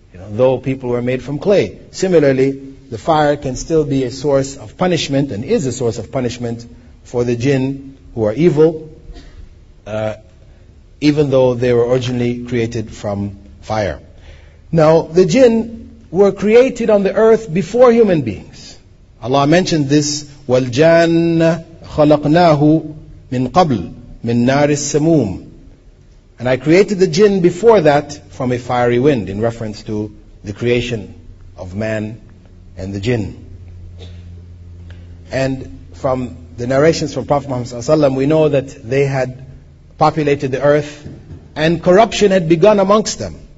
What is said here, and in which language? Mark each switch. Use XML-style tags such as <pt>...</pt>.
<en>Though people were made from clay. Similarly, the fire can still be a source of punishment, and is a source of punishment, for the jinn who are evil, even though they were originally created from fire. Now, the jinn were created on the earth before human beings. Allah mentioned this,</en> <ar>وَالْجَانَّ خَلَقْنَاهُ مِنْ قَبْلُ مِنْ نَارِ السَّمُومِ.</ar> <en>And I created the jinn before that from a fiery wind, in reference to the creation of man and the jinn. And from the narrations from Prophet Muhammad ﷺ, we know that they had populated the earth and corruption had begun amongst them.</en>